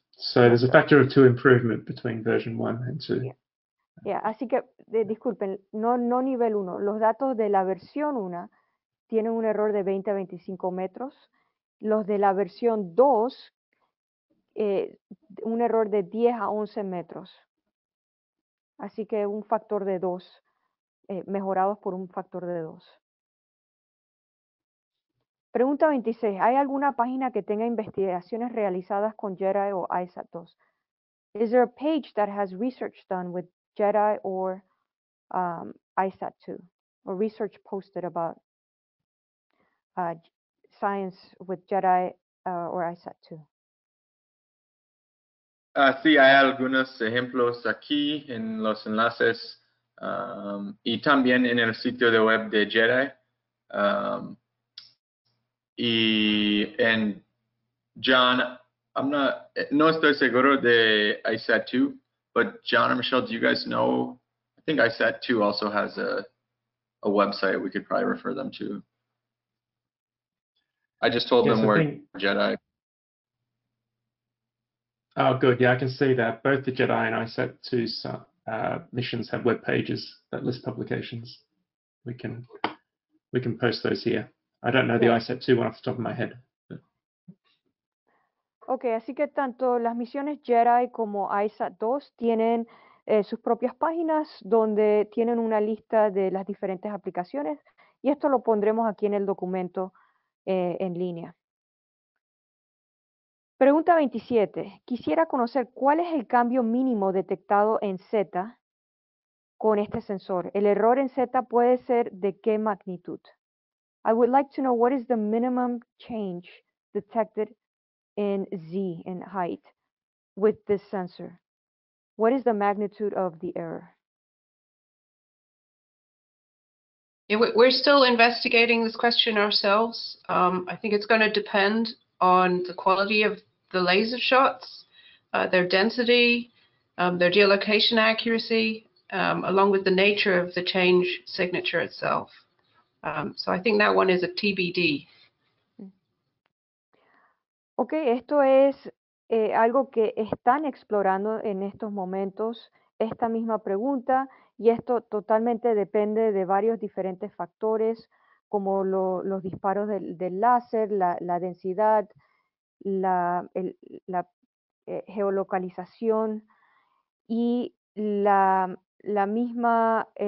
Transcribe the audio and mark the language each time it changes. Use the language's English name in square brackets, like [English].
[English] So there's a factor of 2 improvement between version 1 and 2. [Spanish] Yeah, así que, disculpen, no nivel 1. Los datos de la versión 1 tienen un error de 20 a 25 metros. Los de la versión 2, un error de 10 a 11 metros. Así que un factor de 2, mejorados por un factor de 2. Pregunta 26. ¿Hay alguna página que tenga investigaciones realizadas con JEDI o ISAT 2? [English] Is there a page that has research done with JEDI or ISAT 2? Or research posted about science with JEDI or ISAT 2? [Spanish] Sí, hay algunos ejemplos aquí en los enlaces y también en el sitio de web de JEDI. [English] John, [Spanish] no estoy seguro de ISAT 2, [English] but John or Michelle, do you guys know? I think ISAT 2 also has a website we could probably refer them to. I just told them where JEDI. Oh, good. Yeah, I can see that. Both the JEDI and ISAT 2 missions have web pages that list publications. We can post those here. I don't know the ISAT 2 one off the top of my head. [Spanish] Okay, así que tanto las misiones JEDI como ISAT 2 tienen sus propias páginas donde tienen una lista de las diferentes aplicaciones y esto lo pondremos aquí en el documento en línea. Pregunta 27. Quisiera conocer cuál es el cambio mínimo detectado en Z con este sensor. ¿El error en Z puede ser de qué magnitud? [English] I would like to know what is the minimum change detected in Z, in height, with this sensor. What is the magnitude of the error? We're still investigating this question ourselves. I think it's going to depend on the quality of the laser shots, their density, their geolocation accuracy, along with the nature of the change signature itself. So I think that one is a TBD. [Spanish] Okay, esto es algo que están explorando en estos momentos, esta misma pregunta, y esto totalmente depende de varios diferentes factores, como los disparos del láser, la densidad, la geolocalización, y la misma...